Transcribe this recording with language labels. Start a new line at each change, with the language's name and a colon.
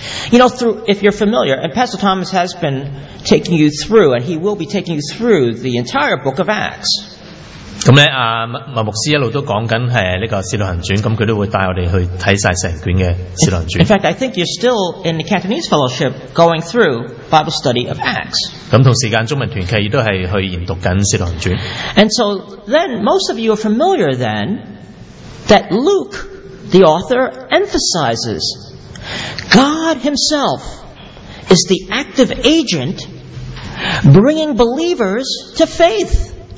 English: You know, through if you're familiar, and Pastor Thomas has been taking you through, and he will be taking you through the entire book of Acts.
Cantonese: 咁咧，麥牧師一路都講緊係呢個《使徒行傳》，咁佢都會帶我哋去睇曬成卷嘅《使徒行傳》。
English: In fact, I think you're still in the Cantonese Fellowship going through Bible study of Acts.
Cantonese: 咁同時間，中文團契亦都係去研讀緊《使徒行傳》。
English: And so then, most of you are familiar then that Luke, the author, emphasizes God Himself is the active agent bringing believers to faith.